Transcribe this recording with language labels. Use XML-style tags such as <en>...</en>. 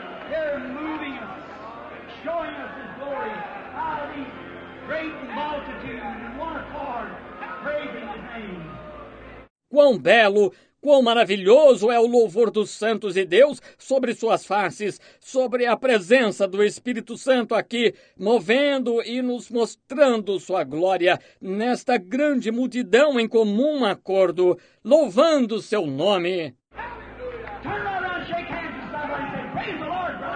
<en>They're moving us, showing us His glory, out of these great multitudes in one accord, praising His name.</en> <pt>Quão belo! Quão maravilhoso é o louvor dos santos e Deus sobre suas faces, sobre a presença do Espírito Santo aqui, movendo e nos mostrando sua glória nesta grande multidão em comum acordo, louvando seu nome.</pt> <en>Turn around and shake hands with somebody and say, praise the Lord.</en>